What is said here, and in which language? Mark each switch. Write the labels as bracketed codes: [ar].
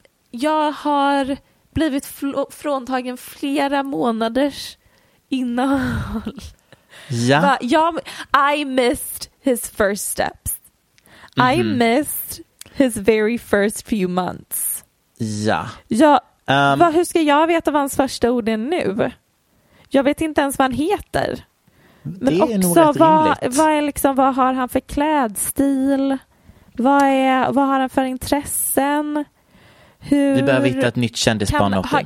[sv] Jag har blivit fråntagen flera månaders innehåll. Ja. [en] I missed his first steps. Mm-hmm. I missed his very first few months. [sv] Ja. Hur ska jag veta vad hans första ord är nu? Jag vet inte ens vad han heter. Men det är också, nog vad har han för klädstil? Vad har han för intressen? Vi behöver hitta ett nytt kändisbarn.